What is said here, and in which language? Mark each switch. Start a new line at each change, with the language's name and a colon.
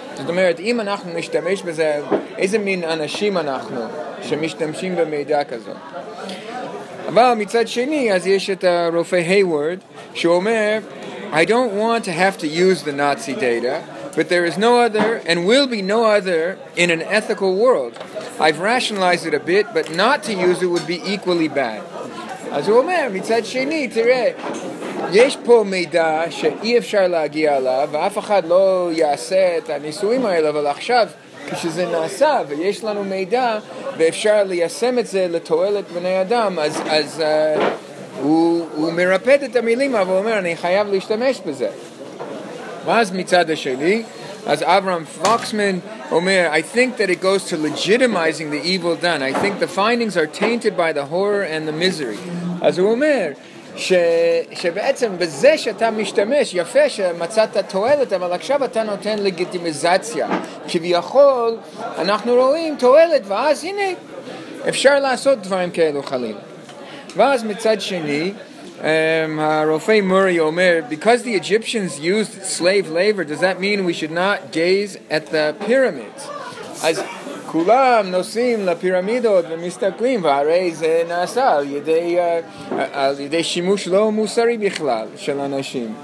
Hebrew: זאת אומרת, אם אנחנו משתמש בזה, איזה מין אנשים אנחנו שמשתמשים במידע כזו? אבל מצד שני, אז יש את הרופא היוורד שאומר,
English: "I don't want to have to use the Nazi data, but there is no other and will be no other in an ethical world. I've rationalized it a bit, but not to use it would be equally bad."
Hebrew: אז הוא אומר, מצד שני, תראה, יש פה מידע שאי אפשר להגיע אליו, ואף אחד לא יעשה את הניסויים האלה, אבל עכשיו, כשזה נעשה, ויש לנו מידע, ואפשר ליישם את זה לתועלת בני אדם, אז הוא מרפד את המילים, אבל הוא אומר, אני חייב להשתמש בזה. ואז מצד השני, אז אברהם פוקסמן אומר,
English: "I think that it goes to legitimizing the evil done. I think the findings are tainted by the horror and the misery."
Hebrew: אז הוא אומר, שבעצם בזה שאתה משתמש, יפה שמצאת תועלת, אבל עכשיו אתה נותן לגיטימיזציה. כביכול, אנחנו רואים תועלת, ואז הנה, אפשר לעשות דברים כאלו חלים. ואז מצד שני, הרופא מורי אומר,
English: "Because the Egyptians used slave labor, does that mean we should not gaze at the pyramids?"
Hebrew: אז כולם נוסעים לפירמידות ומסתכלים, והרי זה נעשה על ידי שימוש לא מוסרי בכלל של אנשים.